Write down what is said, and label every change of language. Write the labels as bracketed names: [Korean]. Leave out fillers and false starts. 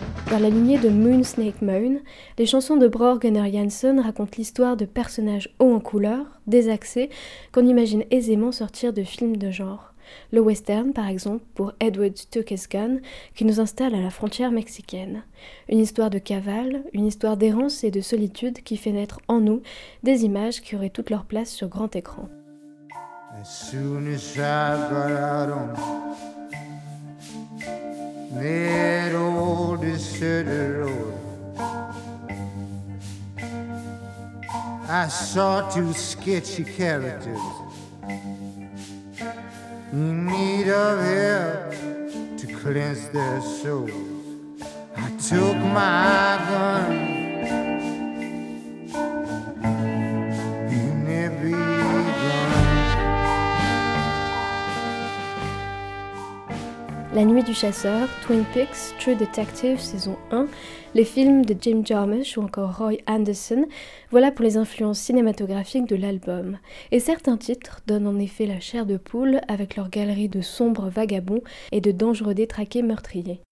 [French] Dans la lignée de Moonsnake Moon, les chansons de Bror Gunnar Jensen racontent l'histoire de personnages hauts en couleur, désaxés, qu'on imagine aisément sortir de films de genre. Le western, par exemple, pour Edward Took His Gun, qui nous installe à la frontière mexicaine. Une histoire de cavale, une histoire d'errance et de solitude qui fait naître en nous des images qui auraient toute leur place sur grand écran. [English] As soon as I got out on that old deserted road, I saw two sketchy characters in need of help to cleanse their souls. I took my gun in every gun. [French] La nuit du chasseur, Twin Peaks, True Detective, saison 1, les films de Jim Jarmusch ou encore Roy Anderson, voilà pour les influences cinématographiques de l'album. Et certains titres donnent en effet la chair de poule avec leur galerie de sombres vagabonds et de dangereux détraqués meurtriers.